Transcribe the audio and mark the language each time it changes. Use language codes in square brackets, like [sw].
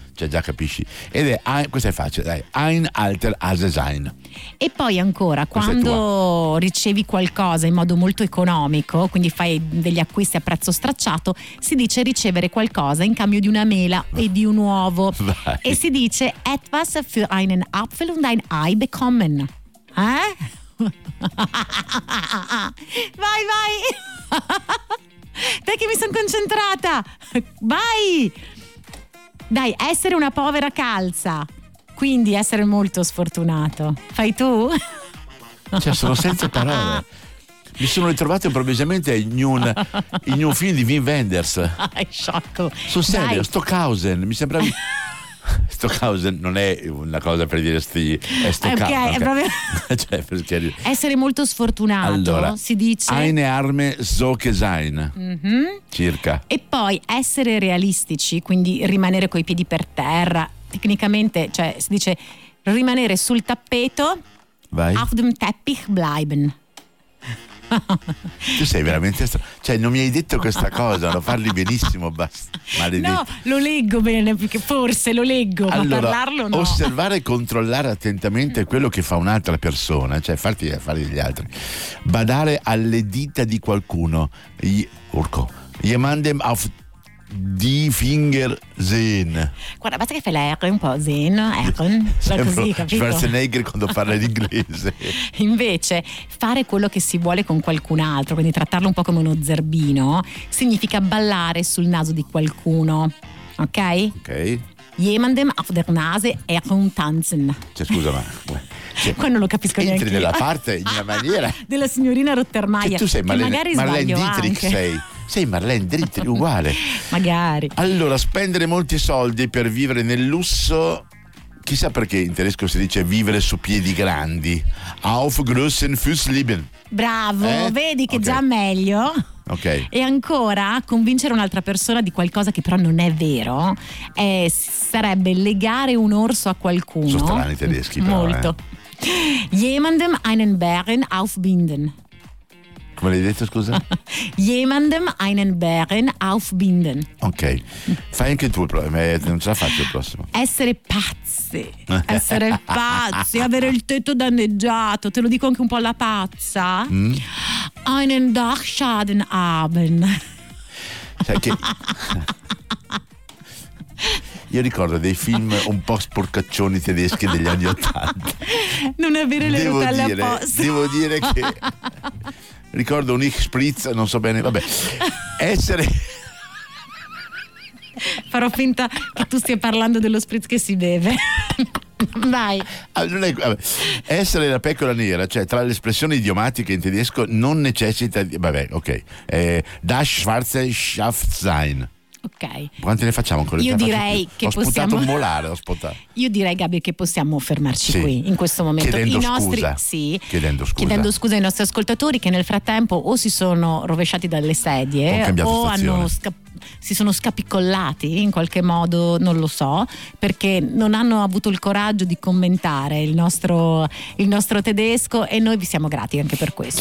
[it] Cioè, già capisci. Ed è, questa è facile, dai. [de] Ein alter Hase sein. [it] E poi ancora, questa quando ricevi qualcosa in modo molto economico, quindi fai degli acquisti a prezzo stracciato, si dice ricevere qualcosa in cambio di una mela e di un uovo. Vai. E si dice [de] etwas für einen Apfel und ein Ei bekommen. [it] Eh? Vai, vai. Dai che mi sono concentrata. Vai. Dai, essere una povera calza. Quindi essere molto sfortunato. Fai tu? Cioè, sono senza parole. Mi sono ritrovato improvvisamente in un film di Wim Wenders. È sciocco. Sul serio, Stockhausen, mi sembrava... Stockhausen non è una cosa per dire è proprio... cioè, essere molto sfortunato. Allora, si dice [de] eine arme so che sein, circa. [it] E poi essere realistici, quindi rimanere coi piedi per terra, tecnicamente, cioè si dice rimanere sul tappeto. Vai. [de] Auf dem Teppich bleiben. [it] Tu sei veramente cioè non mi hai detto questa cosa, lo parli benissimo, maledetto. No, lo leggo bene, perché forse lo leggo, allora, ma parlarlo no. Osservare e controllare attentamente quello che fa un'altra persona, cioè farti gli affari degli altri. Badare alle dita di qualcuno. Urco. [de] Jemandem auf die Finger sehen. [it] Guarda, basta che fai l'R un po', [de] sehen, [it] sembra Schwarzenegger quando parla l'inglese. Invece, fare quello che si vuole con qualcun altro, quindi trattarlo un po' come uno zerbino, significa ballare sul naso di qualcuno. Ok? Ok. [de] Jemandem auf der Nase erum tanzen. [it] Cioè, scusa, ma... Qua non lo capisco entri Entri nella parte, in una maniera... della signorina Rottermeier. Cioè, tu sei Marlene Dietrich, anche. Sei... Sei Marlene Dietrich, uguale. Magari. Allora, spendere molti soldi per vivere nel lusso... Chissà perché in tedesco si dice vivere su piedi grandi. [de] Auf großen Füßen leben. [it] Bravo, vedi che okay. Già meglio. Ok. E ancora, convincere un'altra persona di qualcosa che però non è vero, sarebbe legare un orso a qualcuno. Sono strani i tedeschi però, molto. [de] Jemandem einen Bären aufbinden. [it] Come l'hai detto, scusa? [de] Jemandem einen Bären aufbinden. [it] Ok. Fai anche tu il problema, non ce la faccio il prossimo. Essere pazzi. Essere pazzi, avere il tetto danneggiato. Te lo dico anche un po' alla pazza. Mm? [de] Einen Dachschaden haben. [it] Sai che... Io ricordo dei film un po' sporcaccioni tedeschi degli anni Ottanta. Non avere le rotelle apposta. Devo dire che... Ricordo un ich spritz, non so bene, vabbè. Essere... Farò finta che tu stia parlando dello spritz che si beve. Vai. Essere la pecora nera, cioè tra le espressioni idiomatiche in tedesco, non necessita di... Vabbè, ok. [de] Das schwarze Schaft sein. [it] Ok. Quanti ne facciamo ancora? Io direi che ho possiamo... Sputato un molare, ho sputato. Io direi, Gabi, che possiamo fermarci sì. Qui, in questo momento. Chiedendo i nostri... scusa. Sì. Chiedendo scusa. Chiedendo scusa ai nostri ascoltatori che nel frattempo o si sono rovesciati dalle sedie... Ho o hanno si sono scapicollati in qualche modo, non lo so, perché non hanno avuto il coraggio di commentare il nostro tedesco e noi vi siamo grati anche per questo.